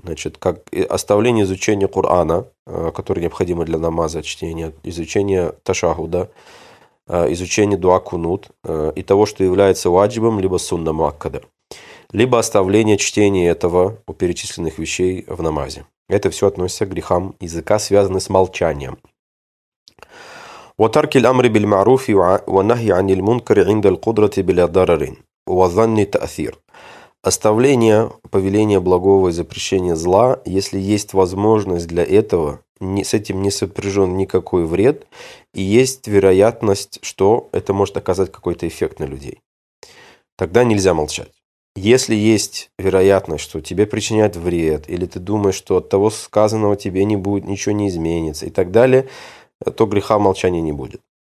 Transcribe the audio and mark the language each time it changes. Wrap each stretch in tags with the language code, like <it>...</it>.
<ru>Значит, как оставление изучения Курана, который необходимо для намаза, чтения, изучение ташахуда, изучение дуа кунут и того, что является ваджибом либо сунна муаккада, либо оставление чтения этого у перечисленных вещей в намазе. Это все относится к грехам языка, связанным с молчанием.</ru> <ar>وترك الأمر بالمعروف ونهي عن المنكر عند القدرة بلا ضرر وظن تأثير.</ar> <ru>Оставление повеления благого и запрещения зла, если есть возможность для этого, с этим не сопряжен никакой вред и есть вероятность, что это может оказать какой-то эффект на людей. Тогда нельзя молчать. Если есть вероятность, что тебе причиняют вред, или ты думаешь, что от того сказанного тебе не будет, ничего не изменится и так далее, то греха молчания не будет.</ru>